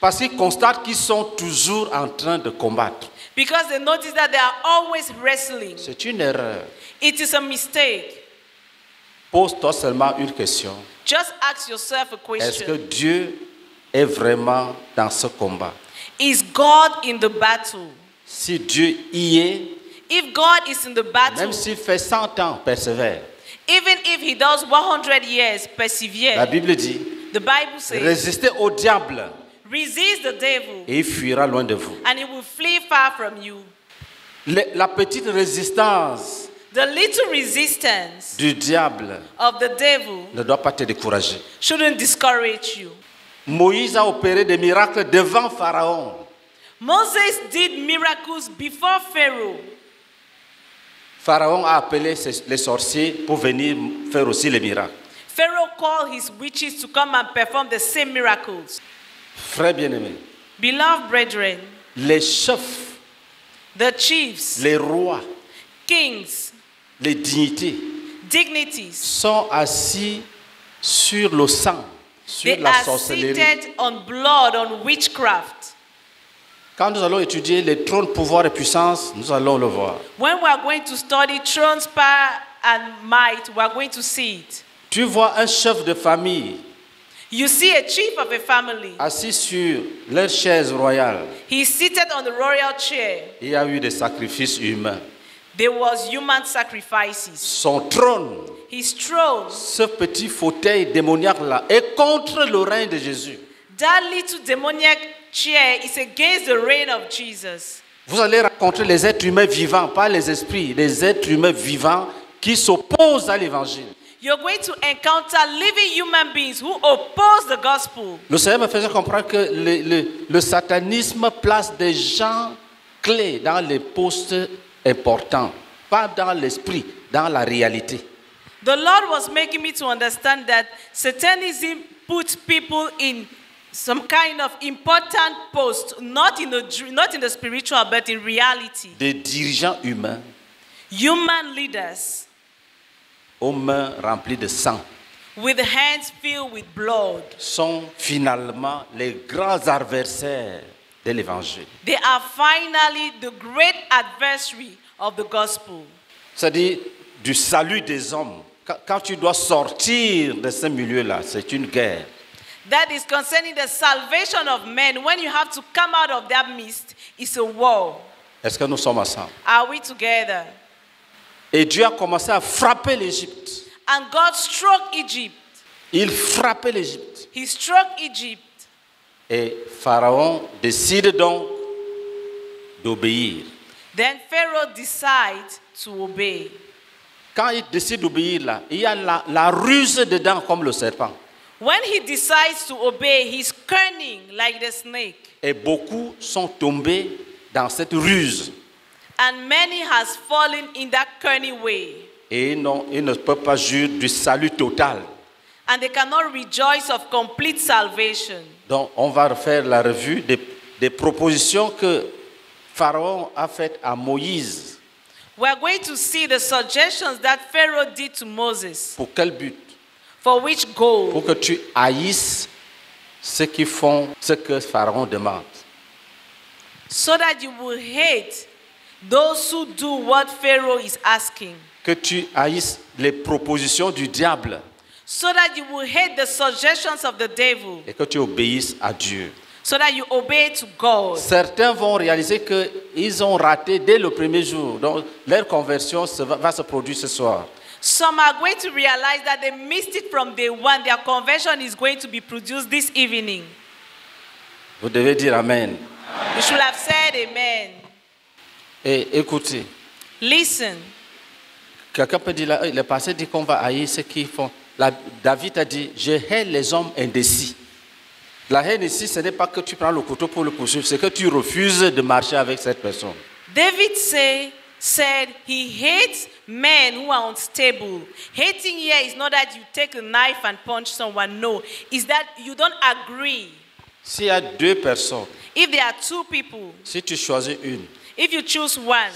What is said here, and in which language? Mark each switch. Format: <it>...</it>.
<fr>Parce qu'ils constatent qu'ils sont toujours en train de combattre.</fr> <en>Because they notice that they are always wrestling.</en> <fr>C'est une erreur.</fr> <en>It is a mistake.</en> <fr>Pose-toi seulement une question.</fr> <en>Just ask yourself a question.</en> <fr>Est-ce que Dieu est vraiment dans ce combat?</fr> <en>Is God in the battle?</en> <fr>Si Dieu y est,</fr> <en>if God is in the battle,</en> <fr>même s'il fait 100 ans, persévère.</fr> <en>Even if he does 100 years, persevere.</en> <fr>La Bible dit,</fr> <en>the Bible says,</en> <fr>résistez au diable.</fr> <en>Resist the devil.</en> <fr>Et il fuira loin de vous.</fr> <en>And he will flee far from you.</en> <fr>La petite résistance.</fr> <en>The little resistance.</en> <fr>Du diable.</fr> <en>Of the devil.</en> <fr>Ne doit pas te décourager.</fr> <en>Shouldn't discourage you.</en> <fr>Moïse a opéré des miracles devant Pharaon.</fr> <en>Moses did miracles before Pharaoh.</en> <fr>Pharaon a appelé les sorciers pour venir faire aussi les miracles.</fr> <en>Pharaoh called his witches to come and perform the same miracles.</en> <fr>Frères bien-aimés,</fr> <en>beloved brethren,</en> <fr>les chefs,</fr> <en>the chiefs,</en> <fr>les rois,</fr> <en>kings,</en> <fr>les dignités,</fr> <en>dignities,</en> <fr>sont assis sur le sang, sur la sorcellerie.</fr> <en>They are seated on blood, on witchcraft.</en> <fr>Quand nous allons étudier les trônes, pouvoir et puissance, nous allons le voir.</fr> <en>When we are going to study thrones, power and might, we are going to see it.</en> <fr>Tu vois un chef de famille.</fr> <en>You see a chief of a family.</en> <fr>Assis sur leur chaise royale.</fr> <en>He is seated on the royal chair.</en> <fr>Il y a eu des sacrifices humains.</fr> <en>There was human sacrifices.</en> <fr>Son trône.</fr> <en>His throne.</en> <fr>Ce petit fauteuil démoniaque là est contre le règne de Jésus.</fr> <en>That little demoniac chair is against the reign of Jesus.</en> <fr>Vous allez rencontrer les êtres humains vivants, pas les esprits, les êtres humains vivants qui s'opposent à l'évangile.</fr> <en>You're going to encounter living human beings who oppose the gospel.</en> <fr>Le Seigneur me faisait comprendre que le satanisme place des gens clés dans les postes importants, pas dans l'esprit, dans la réalité.</fr> <en>The Lord was making me to understand that satanism puts people in some kind of important post, not in the spiritual, but in reality.</en> <fr>Des dirigeants humains.</fr> <en>Human leaders.</en> <fr>Aux mains remplies de sang.</fr> <en>With hands filled with blood.</en> <fr>Sont finalement les grands adversaires de l'évangile.</fr> <en>They are finally the great adversary of the gospel.</en> <fr>C'est-à-dire du salut des hommes. Quand tu dois sortir de ce milieu-là, c'est une guerre.</fr> <en>That is concerning the salvation of men. When you have to come out of that mist, it's a war.</en> <fr>Est-ce que nous sommes ensemble?</fr> <en>Are we together?</en> <fr>Et Dieu a commencé à frapper l'Égypte.</fr> <en>And God struck Egypt.</en> <fr>Il frappait l'Égypte.</fr> <en>He struck Egypt.</en> <fr>Et Pharaon décide donc d'obéir.</fr> <en>Then Pharaoh decides to obey.</en> <fr>Quand il décide d'obéir là, il y a la ruse dedans comme le serpent.</fr> <en>When he decides to obey, he's cunning like the snake.</en> <fr>Et beaucoup sont tombés dans cette ruse.</fr> <en>And many has fallen in that cunning way.</en> <fr>Et non, ils ne peuvent pas jouir du salut total.</fr> <en>And they cannot rejoice of complete salvation.</en> <fr>Donc on va refaire la revue des propositions que Pharaon a faites à Moïse.</fr> <en>We are going to see the suggestions that Pharaoh did to Moses.</en> <fr>Pour quel but?</fr> <en>For which goal?</en> <fr>Pour que tu haïsses ceux qui font ce que Pharaon demande.</fr> <en>So that you will hate those who do what Pharaoh is asking.</en> <fr>Que tu haïsses les propositions du diable.</fr> <en>So that you will hate the suggestions of the devil.</en> <fr>Et que tu obéisses à Dieu.</fr> <en>So that you obey to God.</en> <fr>Certains vont réaliser qu'ils ont raté dès le premier jour. Donc leur conversion va se produire ce soir.</fr> <en>Some are going to realize that they missed it from day one. Their conversion is going to be produced this evening.</en> <fr>Vous devez dire amen.</fr> <en>You should have said amen.</en> <fr>Et écoutez.</fr> <en>Listen.</en> <fr>Quelqu'un peut dire, le passé dit qu'on va haïr ceux qui font. David a dit, je hais les hommes indécis. La haine ici, ce n'est pas que tu prends le couteau pour le poursuivre, c'est que tu refuses de marcher avec cette personne.</fr> <en>David said he hates men who are unstable. Hating here is not that you take a knife and punch someone, no. It's that you don't agree.</en> <fr>S'il y a deux personnes,</fr> <en>if there are two people,</en> <fr>si tu choisis une,</fr> <en>if you choose one,</en>